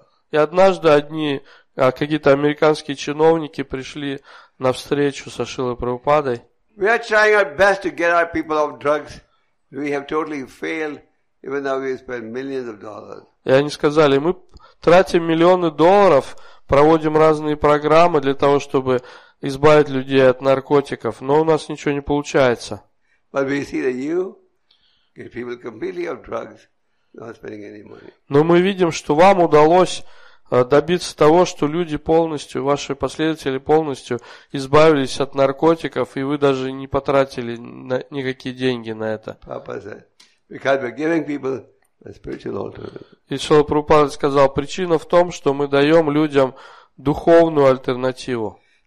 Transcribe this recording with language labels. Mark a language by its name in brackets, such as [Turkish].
[Russian] И однажды какие-то американские чиновники пришли на встречу со Шрилой Прабхупадой. [English] We are trying our best to get our people off drugs. We have totally failed, even though we spend millions of dollars. [Russian] И они сказали, мы тратим миллионы долларов, проводим разные программы для того, чтобы избавить людей от наркотиков, но у нас ничего не получается. [English] But we see that you get people completely off drugs, not spending any money. [Russian] Но мы видим, что вам удалось добиться того, что люди полностью, ваши последователи полностью избавились от наркотиков, и вы даже не потратили никакие деньги на это. И Шрила Прабхупада сказал, причина в том, что мы даем людям духовную альтернативу.